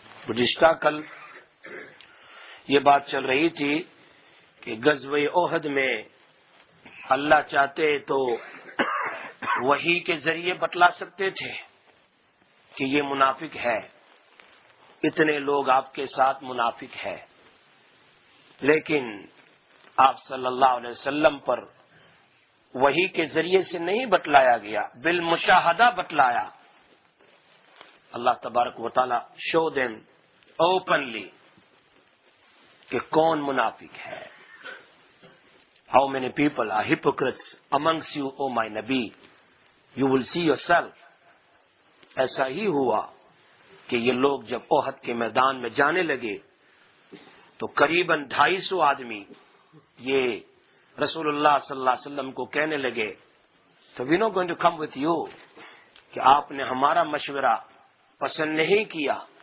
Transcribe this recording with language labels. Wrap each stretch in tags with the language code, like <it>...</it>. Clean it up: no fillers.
<ur>گزشتہ کل یہ بات چل رہی تھی کہ غزوہ احد میں اللہ چاہتے تو وحی کے ذریعے بتلا سکتے تھے کہ یہ منافق ہے، اتنے لوگ آپ کے ساتھ منافق ہے، لیکن آپ صلی اللہ علیہ وسلم پر وحی کے ذریعے سے نہیں بتلایا گیا، بالمشاہدہ بتلایا. اللہ تبارک و تعالی</ur> <en>show them openly</en> <ur>کہ کون منافق ہے.</ur> <en>How many people are hypocrites amongst you, O my Nabi? You will see yourself.</en> <ur>ایسا ہی ہوا کہ یہ لوگ جب احد کے میدان میں جانے لگے تو قریباً 250 آدمی یہ رسول اللہ صلی اللہ علیہ وسلم کو کہنے لگے تو</ur> <en>we're not going to come with you،</en> <ur>کہ آپ نے ہمارا مشورہ پسند نہیں کیا.</ur>